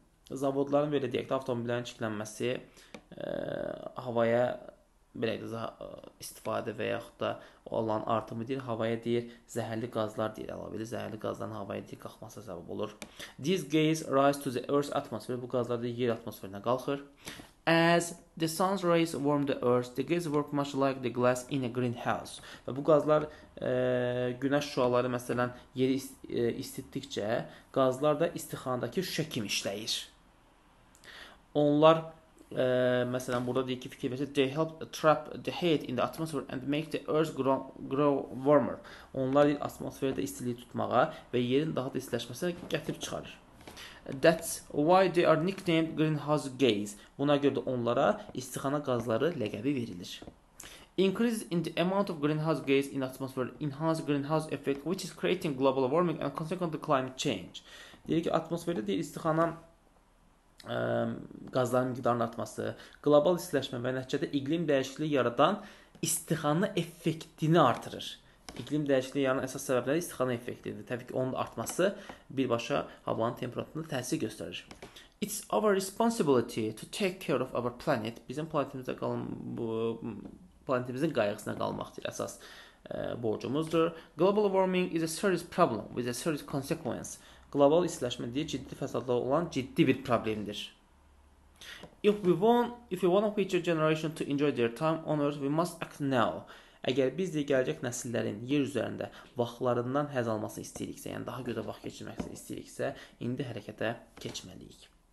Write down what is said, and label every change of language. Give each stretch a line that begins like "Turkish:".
Azerbaijani: Zavodların belə deyək də avtomobillərin çirklənməsi havaya belə deyək də istifadə və yaxud da olan artımı deyir, havaya deyir, zəhərli qazlar deyir, ala bilir, zəhərli qazların havaya deyir, qalxmasına səbəb olur.
English: These gases rise to the Earth's atmosphere,
Azerbaijani: bu qazlar da yer atmosferinə qalxır.
English: As the sun's rays warm the Earth, the gases work much like the glass in a greenhouse.
Azerbaijani: Və bu qazlar günəş şüaları, məsələn, yeri istitdikcə, qazlar da istixanadakı şüşə kimi işləyir. Onlar... məsələn burada deyir ki fikir verir,
English: they help trap the heat in the atmosphere and make the earth grow warmer.
Azerbaijani: Onlar deyir, atmosferdə istiliyi tutmağa və yerin daha da istiləşməsinə gətirib çıxarır.
English: That's why they are nicknamed greenhouse gas.
Azerbaijani: Buna görə də onlara istixana qazları ləqəbi verilir.
English: Increase in the amount of greenhouse gas in atmosphere enhance greenhouse effect which is creating global warming and consequently climate change.
Azerbaijani: Deyir ki atmosferdə deyir istixana qazların miqdarının artması, qlobal istiləşmə və nəticədə iqlim dəyişikliyi yaradan istixana effektini artırır. İqlim dəyişikliyi yaranan əsas səbəbləri istixana effektidir. Təbii ki, onun artması birbaşa havanın temperaturuna təsir göstərir.
English: It's our responsibility to take care of our planet.
Azerbaijani: Bizim planetimizdə qalın, planetimizin qayğısına qalmaqdır əsas borcumuzdur.
English: Global warming is a serious problem with a serious consequence.
Azerbaijani: Global istiləşmə deyə ciddi fəsadlar olan ciddi bir problemdir.
English: If we want a future generation to enjoy their time on Earth, we must act now.
Azerbaijani: Əgər biz deyə gələcək nəsillərin yer üzərində vaxtlarından həz almasını istəyiriksə, yəni daha gözə vaxt keçirməsini istəyiriksə, indi hərəkətə keçməliyik.